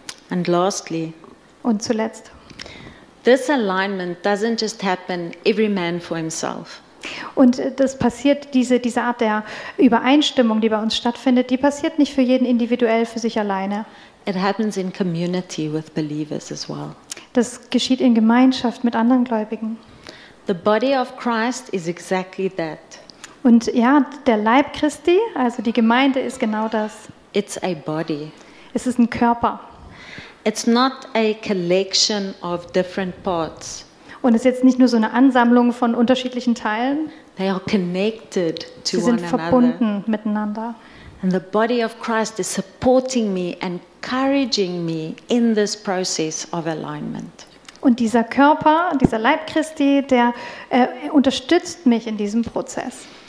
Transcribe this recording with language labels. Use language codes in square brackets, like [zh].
[en] And lastly, [de] und zuletzt. [en] This alignment doesn't just happen every man for himself. [de] Und das passiert, diese Art der Übereinstimmung, die bei uns stattfindet, die passiert nicht für jeden individuell für sich alleine. [en] It happens in community with believers as well. [de] Das geschieht in Gemeinschaft mit anderen Gläubigen. [en] The body of Christ is exactly that. [de] Und ja, der Leib Christi, also die Gemeinde, ist genau das. [en] It's a body. [de] Es ist ein Körper. [en] It's not a collection of different parts. [de] Und es ist jetzt nicht nur so eine Ansammlung von unterschiedlichen Teilen. [en] They are connected to one another. [de] Sie sind verbunden miteinander. [en] And the body of Christ is supporting me and encouraging me in this process of alignment. [de] Und dieser Körper, dieser Leib Christi, der unterstützt mich in diesem Prozess.